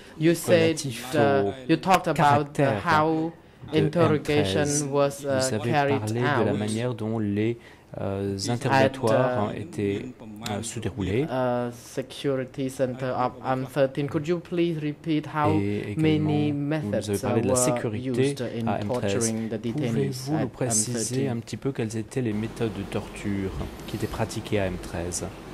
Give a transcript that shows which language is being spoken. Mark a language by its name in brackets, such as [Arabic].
[English] You said you talked about how interrogation was carried out. [French] Vous avez parlé de la manière dont les interrogatoires étaient se déroulés. [English] Security center of M13. Could you please repeat how many methods were used in torturing the detainees? [French] Pouvez-vous nous préciser un petit peu quelles étaient les méthodes de torture qui étaient pratiquées à M13?